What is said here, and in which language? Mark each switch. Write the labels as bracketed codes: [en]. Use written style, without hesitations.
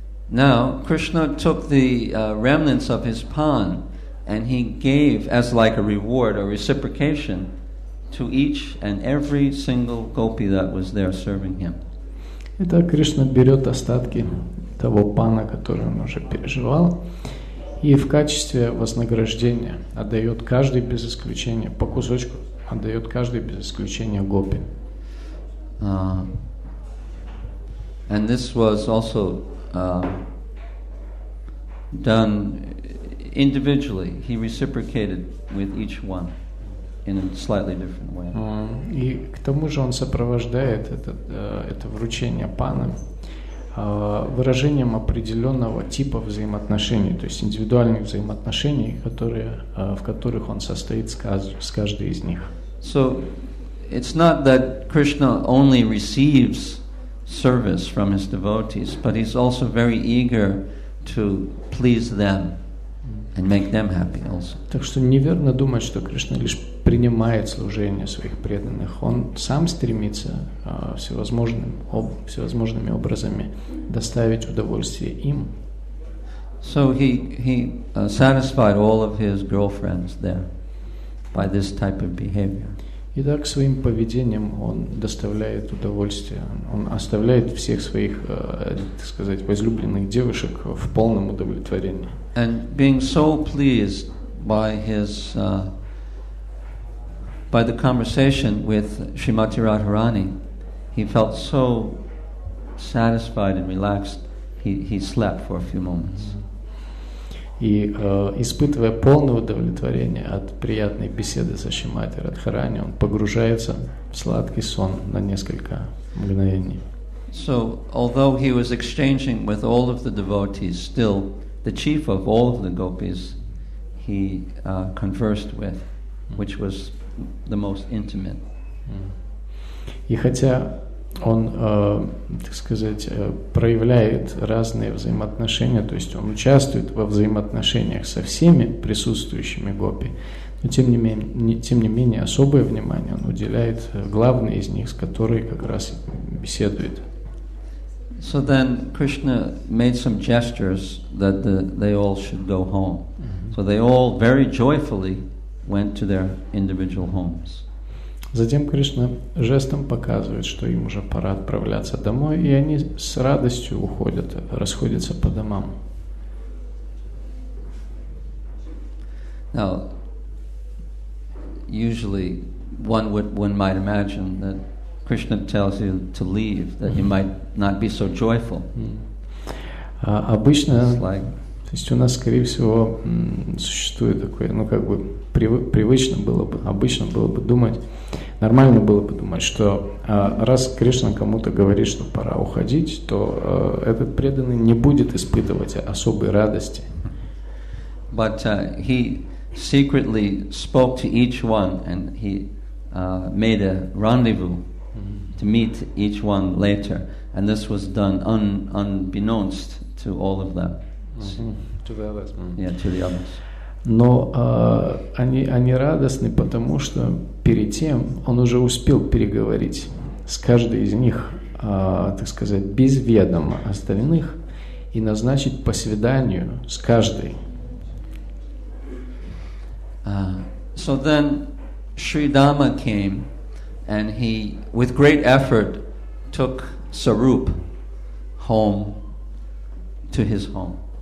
[en] Now Krishna took the remnants of his pawn and he gave as like a reward or reciprocation to each and every single gopi that was there serving him. [ru] Итак, Кришна берет остатки того пана, который он уже переживал, и в качестве вознаграждения отдает каждый без исключения, по кусочку отдает каждый без исключения гопи. [en] And this was also done individually. He reciprocated with each one in a slightly different way. [ru] И к тому же он сопровождает это вручение пана выражением определенного типа взаимоотношений, то есть индивидуальных взаимоотношений, которые в которых он состоит с каждой из них. [en] So it's not that Krishna only receives service from his devotees, but he's also very eager to please them and make them happy also. [ru] Так что неверно думать, что Кришна лишь принимает служение своих преданных. Он сам стремится всевозможными образами доставить удовольствие им. [en] So he satisfied all of his girlfriends there by this type of behavior. [ru] Итак, своим поведением он доставляет удовольствие. Он оставляет всех своих, так сказать, возлюбленных девушек в полном удовлетворении. [en] And being so pleased by his by the conversation with Shrimati Radharani, he felt so satisfied and relaxed, he slept for a few moments. [ru] И испытывая полное удовлетворение от приятной беседы со Шримати Радхарани, он погружается в сладкий сон на несколько мгновений. [en] So, although he was exchanging with all of the devotees, still the chief of all of the gopis he conversed with, which was the most intimate. [ru] И хотя он, так сказать, проявляет разные взаимоотношения, то есть он участвует во взаимоотношениях со всеми присутствующими гопи, но тем не менее особое внимание он уделяет главной из них, с которой как раз беседует. [en] So then Krishna made some gestures that they all should go home. So they all very joyfully went to their individual homes. [ru] Затем Кришна жестом показывает, что им уже пора отправляться домой, и они с радостью уходят, расходятся по домам. [en] Now, usually one might imagine that Krishna tells you to leave, that you might not be so joyful. [ru] Обычно, то есть у нас, скорее всего, существует такое, ну как бы привычно было бы, обычно было бы думать. Нормально было бы думать, что раз Кришна кому-то говорит, что пора уходить, то этот преданный не будет испытывать особой радости. [en] But he secretly spoke to each one and he made a rendezvous to meet each one later. And this was done unbeknownst to all of them. To the others. Yeah, to the others. [ru] Но они радостны, потому что перед тем он уже успел переговорить с каждой из них, так сказать, без ведома остальных, и назначить по свиданию с каждой. [en] So then Sri Dama came, and he with great effort took Sarup home to his home.